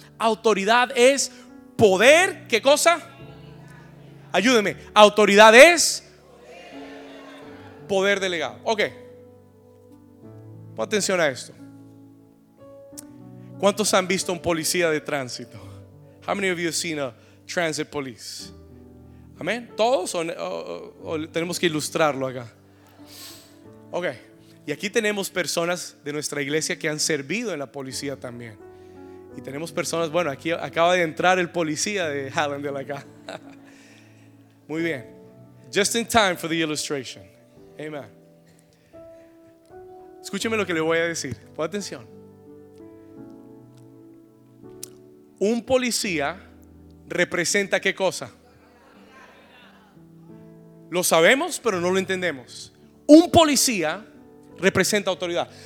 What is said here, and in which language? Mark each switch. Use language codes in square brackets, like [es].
[es] Autoridad es poder. ¿Qué cosa? Ayúdeme. Autoridad es poder delegado. Ok. Pon atención a esto. ¿Cuántos han visto un policía de tránsito? [en] How many of you have seen a transit police? [es] ¿Amén? ¿Todos o tenemos que ilustrarlo acá? Ok. Y aquí tenemos personas de nuestra iglesia que han servido en la policía también. Y tenemos personas, bueno, aquí acaba de entrar el policía de Hallandale acá. Muy bien. [en] Just in time for the illustration. Amen. [es] Escúcheme lo que le voy a decir. Pon atención. Un policía representa ¿qué cosa? Lo sabemos, pero no lo entendemos. Un policía representa autoridad.